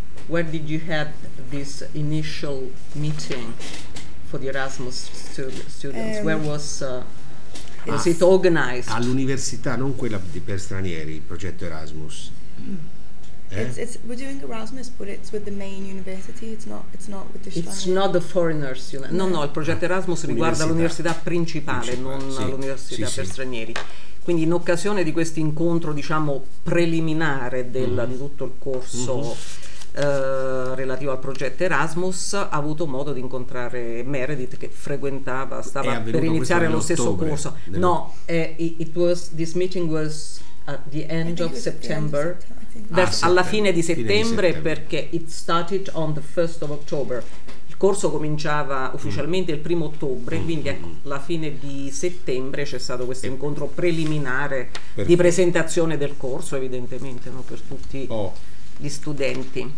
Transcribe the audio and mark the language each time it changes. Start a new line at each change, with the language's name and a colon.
English: Where did you have this initial meeting for the Erasmus students? Where was it organized?
Italian: All'università, non quella per stranieri, il progetto Erasmus.
English: It's we're doing Erasmus, but it's with the main university. It's not with the. It's Spanish. Not the foreigners.
Italian: No, il progetto Erasmus riguarda l'università principale, l'università per stranieri. Quindi in occasione di questo incontro, diciamo preliminare di tutto il corso relativo al progetto Erasmus, ha avuto modo di incontrare Meredith, che stava per iniziare lo stesso corso.
English: No, this meeting was at the end of September.
Italian: Alla fine di settembre, perché
English: it started on the 1st of October.
Italian: Il corso cominciava ufficialmente il 1 ottobre, quindi alla fine di settembre c'è stato questo incontro preliminare di presentazione del corso, evidentemente, no, per tutti gli studenti.